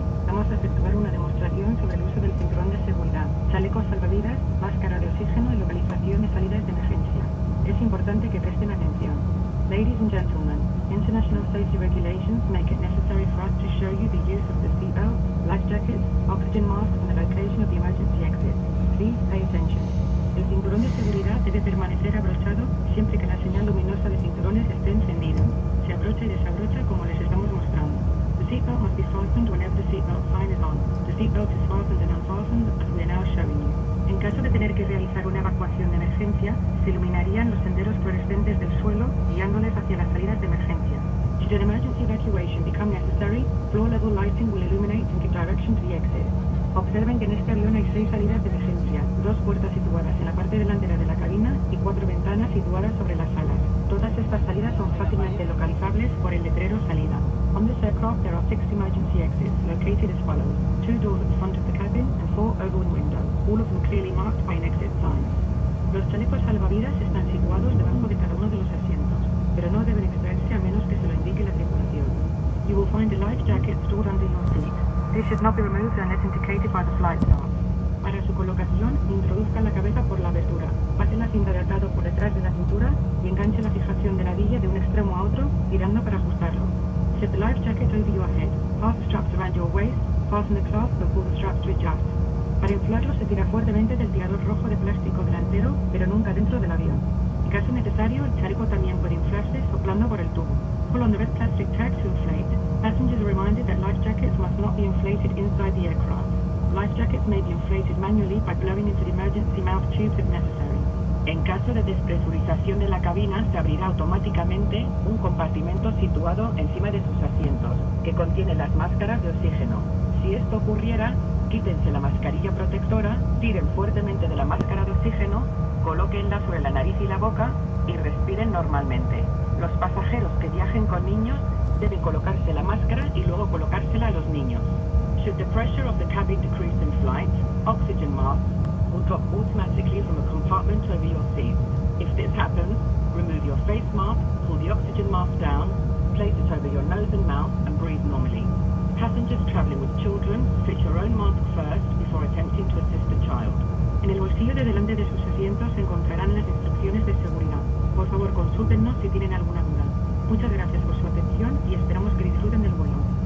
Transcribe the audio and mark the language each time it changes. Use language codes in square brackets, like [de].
[es] Vamos a efectuar una demostración sobre el uso del cinturón de seguridad, chalecos salvavidas, máscara de oxígeno y localización de salidas de emergencia. Es importante que presten atención. [en] Ladies and gentlemen, international safety regulations make it necessary for us to show you the use of the seatbelt, life jackets, oxygen masks and the location of the emergency exit. Please pay attention. [es] El cinturón de seguridad debe permanecer abrochado siempre que la señal luminosa de cinturones esté encendida. Se abrocha y desabrocha como les estamos mostrando. [en] The seatbelt must be fastened whenever the seatbelt sign is on. The seatbelt is fastened and unfastened as we are now showing you. [es] En caso de tener que realizar una evacuación de emergencia, se iluminarían los senderos fluorescentes del suelo, guiándoles hacia las salidas de emergencia. [en] Should an emergency evacuation become necessary, floor-level lighting will illuminate in the direction to the exit. [es] Observen que en este avión hay 6 salidas de emergencia, 2 puertas situadas en la parte delantera de la cabina y 4 ventanas situadas sobre las alas. Todas estas salidas son fácilmente localizables por el letrero salida. [en] On this aircraft there are 6 emergency exits located as follows. 2 doors at the front of the cabin and 4 open windows, all of them clearly marked by an exit sign. [es] Los chalecos salvavidas están situados debajo de cada uno de los asientos, pero no deben extraerse a menos que se lo indique la tripulación. [en] You will find a life jacket stored under your seat. This should not be removed unless indicated by the flight staff. [es] Para su colocación, introduzca la cabeza por la abertura, pase la cinta de atado por detrás de la cintura y enganche la fijación de la villa de un extremo a otro, girando para ajustarlo. [en] Set the life jacket over your head, pass the straps around your waist, fasten the clasp and pull the straps to adjust. [es] Para inflarlo, se tira fuertemente del tirador rojo de plástico delantero, pero nunca dentro del avión. En caso necesario, el chaleco también puede inflarse soplando por el tubo. [en] Pull on the red plastic tag to inflate. Passengers are reminded that life jackets must not be inflated inside the aircraft. Life jackets may be inflated manually by blowing into the emergency mouth tubes if necessary. [es] En caso de despresurización de la cabina, se abrirá automáticamente un compartimento situado encima de sus asientos, que contiene las máscaras de oxígeno. Si esto ocurriera, quítense la mascarilla protectora, tiren fuertemente de la máscara de oxígeno, colóquenla sobre la nariz y la boca y respiren normalmente. Los pasajeros que viajen con niños deben colocarse la máscara y luego colocársela a los niños. [en] Should the pressure of the cabin decrease in flight, oxygen mask will drop automatically from a compartment over your seat. If this happens, remove your face mask, pull the oxygen mask down, place it over your nose and mouth and breathe normally. Passengers traveling with children, fit your own mask first before attempting to assist a child. [es] En el bolsillo de delante de sus asientos encontrarán las instrucciones de seguridad. Por favor, consúltennos si tienen alguna duda. Muchas gracias por su atención y esperamos que disfruten del vuelo.